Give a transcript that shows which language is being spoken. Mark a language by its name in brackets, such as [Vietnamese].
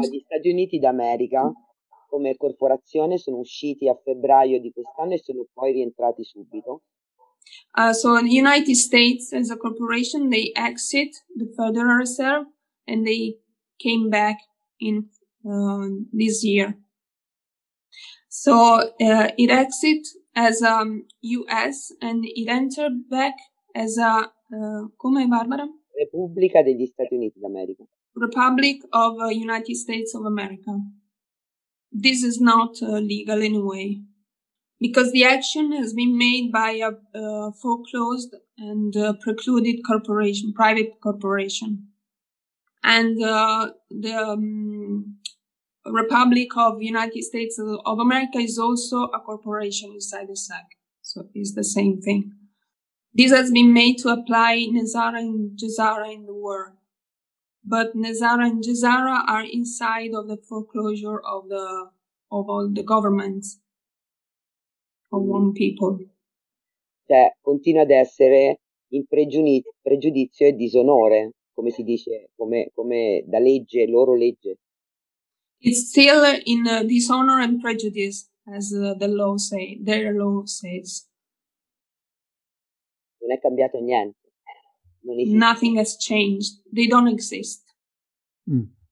[Italian] Gli Stati Uniti d'America come corporazione sono usciti a febbraio di quest'anno e sono poi rientrati subito. [English] So the United States as a corporation, they exit the Federal Reserve and they came back in this year. So it exit as US and it entered back as a [Italian] come, [English] Barbara? [Italian] Repubblica degli Stati Uniti d'America. [English] Republic of United States of America. This is not legal anyway, because the action has been made by a foreclosed and precluded corporation, private corporation. And the Republic of United States of America is also a corporation inside the SEC. So it's the same thing. This has been made to apply Nesara and Gesara in the world. But Nesara and Gesara are inside of the foreclosure of the of all the governments of one people. [Italian] Cioè, continua ad essere in pregiudizio e disonore, come si dice, come da legge, loro legge. [English] It's still in dishonor and prejudice, as the law say, their law says. [Italian] Non è cambiato niente. [English] Nothing has changed. They don't exist. Mm.